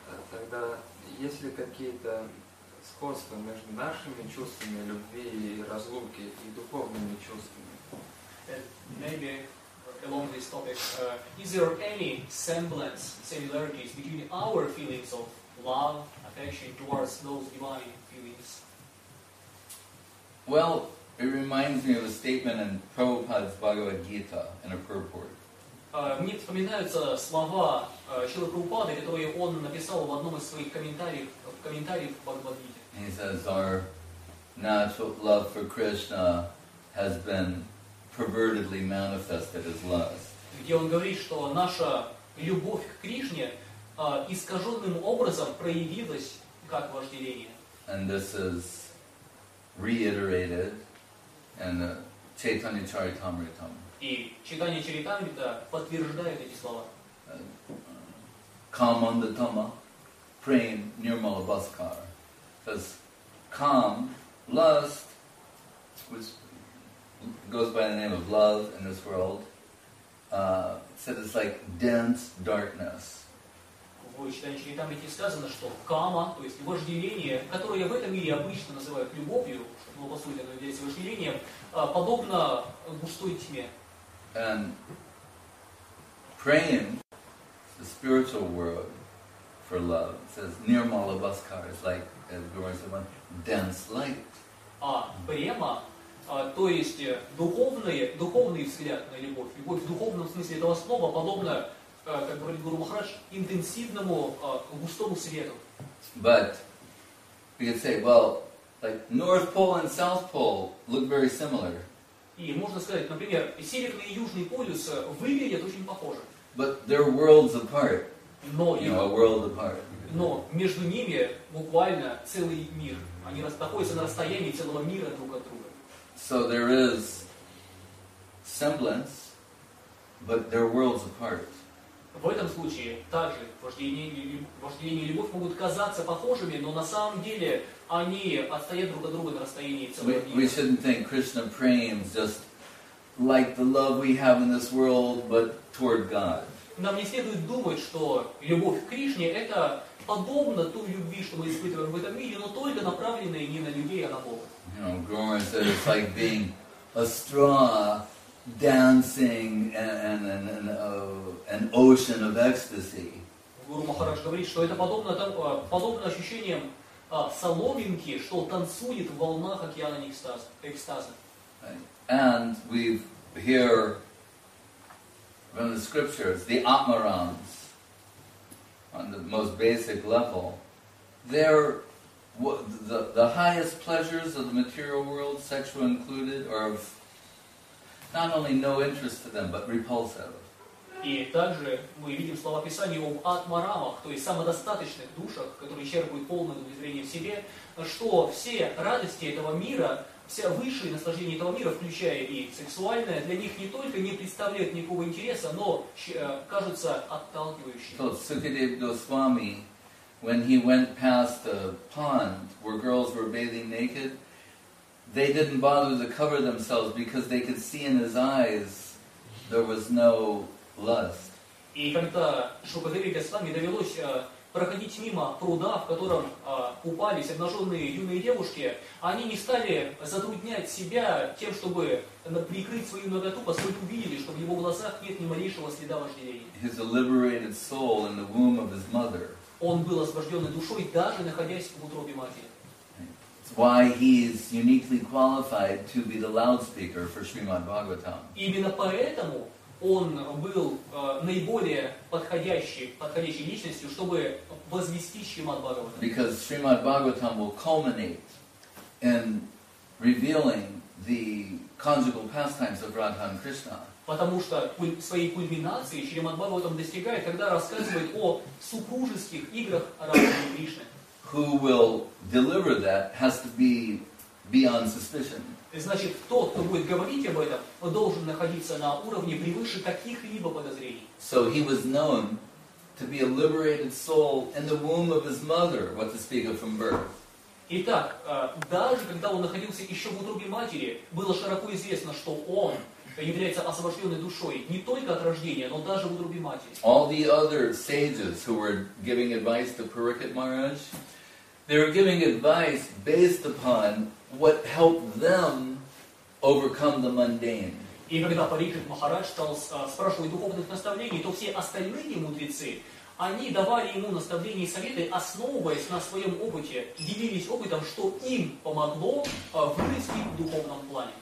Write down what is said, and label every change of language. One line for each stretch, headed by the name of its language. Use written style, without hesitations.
Russian: Тогда есть ли какие-то сходства между нашими чувствами любви и разлуки и духовными чувствами?
English: Maybe along this topic, is there any semblance, similarities between our feelings of love, affection towards those divine feelings? Well, it reminds me of a statement in Prabhupada's Bhagavad Gita in a purport.
Russian: Мне вспоминаются слова Шрилы Прабхупады, которые он написал в одном из своих комментариев в Бхагавад Гите.
English: He says our natural love for Krishna has been pervertedly manifested as lust.
Russian: Где он говорит, что наша любовь к Кришне искаженным образом проявилась как вожделение.
English: And this is reiterated in the Chaitanya Charitamrita.
Russian: И читание Чаритамрита подтверждает эти слова.
Bangla: Камандатама прем нирмала баскар.
English: Because kam, lust, which goes by the name of love in this world, said it's like dense darkness.
Russian: В читании Чаритамрите сказано, что кама, то есть вожделение, которое в этом мире обычно называют любовью, но по сути оно является вожделением, подобно густой тьме.
English: And praying the spiritual world for love says
Bangla: nirmala bhaskar
English: is like, as Gaurav said, one dense light.
Russian: Према, то есть духовный взгляд на любовь. Любовь в духовном смысле этого слова подобна, как говорит Гуру Махарадж, интенсивному густому свету.
English: But we could say, well, like North Pole and South Pole look very similar.
Russian: И можно сказать, например, Северный и Южный полюс выглядят очень похоже.
English: But they're worlds apart.
Russian: Но,
English: you know, a world apart.
Russian: Но между ними буквально целый мир. Они находятся на расстоянии целого мира друг от друга.
English: So there is semblance, but they're worlds apart.
Russian: В этом случае также вожделение и любовь могут казаться похожими, но на самом деле они отстоят друг от друга на расстоянии целого мира.
English: We shouldn't think Krishna prems just like the love we have in this world, but toward God.
Russian: Нам не следует думать, что любовь к Кришне это подобно той любви, что мы испытываем в этом мире, но только направленная не на людей, а на Бога.
English: You know, Gaurav said it's like being a straw dancing an ocean of ecstasy.
Russian: Гуру Махарадж говорит, что это подобно ощущениям соломинки, что танцует в волнах океана экстаза.
English: And we hear from the scriptures, the Atmarams, on the most basic level, they're the highest pleasures of the material world, sexual included, are of not only no interest to them, but repulsive.
Russian: И также мы видим слова Писания об атмарамах, то есть самодостаточных душах, которые черпают полное удовлетворение в себе, что все радости этого мира, все высшие наслаждения этого мира, включая и сексуальное, для них не только не представляют никакого интереса, но кажутся отталкивающими.
English: So, Сукадев Госвами, when he went past the pond where girls were bathing naked, they didn't bother to cover themselves because they could see in his eyes there was no lust.
Russian: И когда Шукадеви Госвами довелось проходить мимо пруда, в котором купались обнаженные юные девушки, они не стали затруднять себя тем, чтобы прикрыть свою наготу, поскольку увидели, что в его глазах нет ни малейшего следа вожделения. Он был освобожденной душой, даже находясь в утробе матери.
English: Why he is uniquely qualified to be the loudspeaker for Srimad Bhagavatam.
Russian: Именно поэтому он был наиболее подходящей личностью, чтобы возвести Шримад Бхагаватам.
English: Because Srimad Bhagavatam will culminate in revealing the conjugal pastimes of Radha and Krishna.
Russian: Потому что своей кульминацией Шримад Бхагаватам достигает, когда рассказывает о супружеских играх Радхи и Кришны.
English: Who will deliver that has to be beyond suspicion.
Russian: Значит, тот, кто будет говорить об этом, должен находиться на уровне превыше каких-либо подозрений.
English: So he was known to be a liberated soul in the womb of his mother, what to speak of from birth.
Russian: Итак, даже когда он находился еще в утробе матери, было широко известно, что он является освобожденной душой не только от рождения, но даже в утробе матери.
English: All the other sages who were giving advice to Parikshit Maharaj, they were giving advice based upon what helped them overcome the mundane.
Russian: И когда Парикшит Махарадж стал спрашивать духовных наставлений, то все остальные мудрецы, они давали ему наставления и советы, основываясь на своем опыте, делились опытом, что им помогло вырасти в духовном плане.